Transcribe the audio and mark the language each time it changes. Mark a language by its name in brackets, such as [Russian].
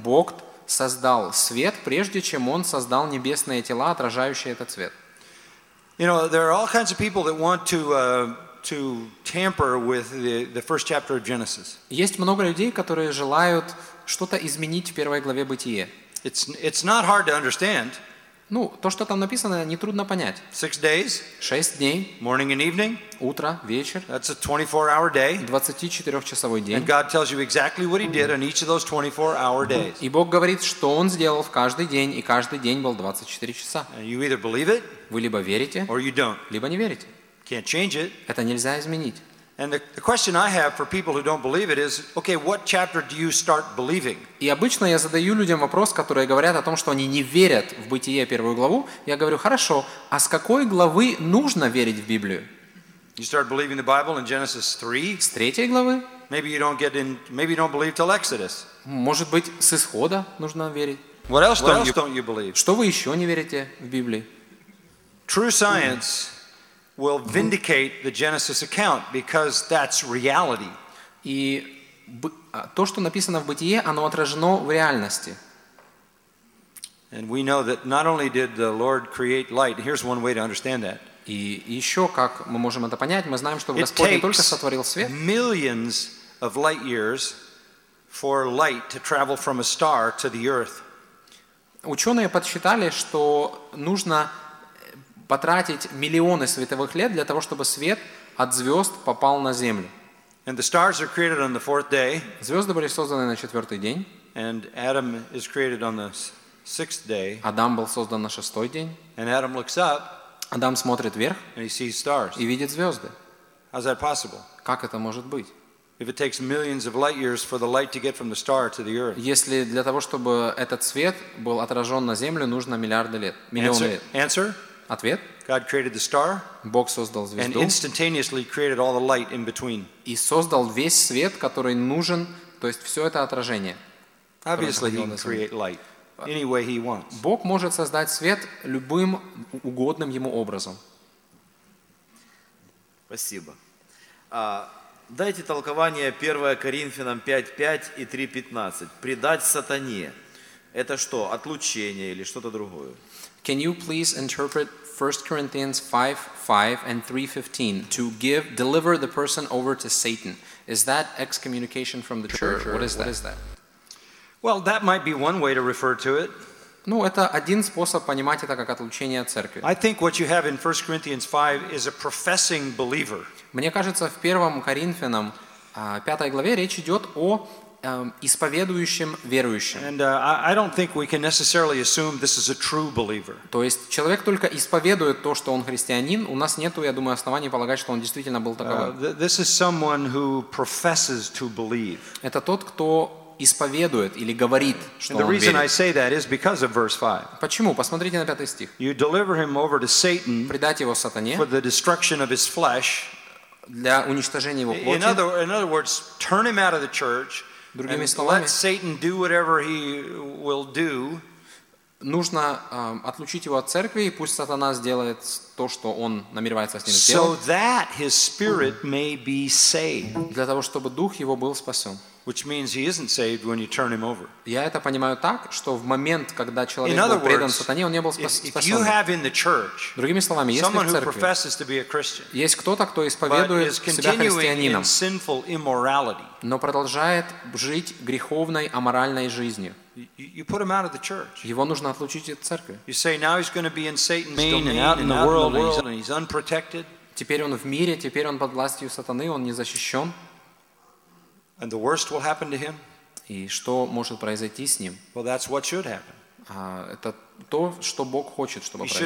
[Russian] Бог создал свет, прежде чем Он создал небесные тела, отражающие этот свет. [English] You know, there are all kinds of people that want to tamper with the first chapter of Genesis. [Russian] Есть много людей, которые желают что-то изменить в первой главе Бытие. [English] It's not hard to understand. [Russian] Ну, то, что там написано, не трудно понять. [English] 6 days. [Russian] 6 дней. [English] Morning and evening. [Russian] Утро, вечер. [English] That's a 24-hour day. [Russian] 24-часовой день. [English] And God tells you exactly what He did on each of those 24-hour days. [Russian] И Бог говорит, что Он сделал в каждый день, и каждый день был 24 часа. [English] And you either believe it. [Russian] Вы либо верите. [English] Or you don't. [Russian] Либо не верите. [English] Can't change it. [Russian] Это нельзя изменить. [English] And the question I have for people who don't believe it is, okay, what chapter do you start believing? [Russian] И обычно я задаю людям вопрос, которые говорят о том, что они не верят в Бытие первую главу. Я говорю: хорошо, а с какой главы нужно верить в Библию? [English] You start believing the Bible in Genesis 3? [Russian] С третьей главы? [English] Maybe you don't get in. Maybe you don't believe till Exodus. [Russian] Может быть, с исхода нужно верить. [English] What else don't you believe? [Russian] Что вы еще не верите в Библии? [English] True science. Will vindicate the Genesis account because that's reality. [Russian] И то, что написано в Бытие, оно отражено в реальности. [English] And we know that not only did the Lord create light, here's one way to understand that. [Russian] И ещё как мы можем это понять? Мы знаем, что Господь не только сотворил свет. [English] It takes millions of light years for light to travel from a star to the earth. [Russian] Учёные подсчитали, что нужно потратить миллионы световых лет для того, чтобы свет от звёзд попал на землю. [English] And the stars are created on the fourth day. [Russian] Звёзды были созданы на четвёртый день. [English] And Adam is created on the sixth day. [Russian] Адам был создан на шестой день. [English] And Adam looks up. [Russian] Адам смотрит вверх. [English] And he sees stars. [Russian] И видит звёзды. [English] How is that possible? [Russian] Как это может быть? [English] If it takes millions of light years for the light to get from the star to the earth. [Russian] Если для того, чтобы этот свет был отражён на землю, нужно миллиарды лет, миллионы лет. [English] Answer? [Russian] Ответ? [English] God created the star. [Russian] Бог создал звезду. [English] And instantaneously created all the light in between. [Russian] И создал весь свет, который нужен, то есть всё это отражение. [English] Obviously he can create light any way he wants. [Russian] Бог может создать свет любым угодным ему образом. Спасибо. Дайте толкование 1 Коринфянам 5:5 и 3:15. Предать сатане. Это что, отлучение или что-то другое? [English] Can you please interpret 1 Corinthians 5:5 and 3:15 to give deliver the person over to Satan? Is that excommunication from the church? What is that? Well, that might be one way to refer to it. [Russian] Ну, это один способ понимать это как отлучение от церкви. [English] I think what you have in 1 Corinthians 5 is a professing believer. [Russian] Мне кажется, в 1 Коринфянам 5 главе речь идёт о исповедующем верующем. [English] And I don't think we can necessarily assume this is a true believer. [Russian] То есть человек только исповедует то, что он христианин, у нас нету, я думаю, оснований полагать, что он действительно был таковым. [English] This is someone who professes to believe. [Russian] Это тот, кто исповедует или говорит, что он верит. [English] The reason I say that is because of verse 5. [Russian] Почему? Посмотрите на 5 стих. [English] You deliver him over to Satan. [Russian] Предать его сатане. [English] For the destruction of his flesh. [Russian] Для уничтожения его плоти. [English] In other words, turn him out of the church. [Russian] Другими словами, [English] let Satan do whatever he will do. [Russian] Нужно отлучить его от церкви, и пусть сатана сделает то, что он намеревается с ним сделать. [English] So that his spirit may be saved. [Russian] Для того, чтобы дух его был спасен. [English] Which means he isn't saved when you turn him over. [Russian] Я это понимаю так, что в момент, когда человек был предан сатане, он не был спасен. [English] If you have in the church, [Russian] другими словами, если [English] someone who professes to be a Christian, [Russian] есть кто-то, кто исповедует себя христианином, [English] but is continuing in sinful immorality, [Russian] но продолжает жить греховной, аморальной жизнью. [English] You put him out of the church. [Russian] Его нужно отлучить от церкви. [English] You say now he's going to be in Satan's domain and out in the world, and he's unprotected. [Russian] Теперь он в мире, теперь он под властью сатаны, он не защищен. [English] And the worst will happen to him. [Russian] И что может произойти с ним? [English] Well, that's what should happen. [Russian] Это то, что Бог хочет, чтобы произошло.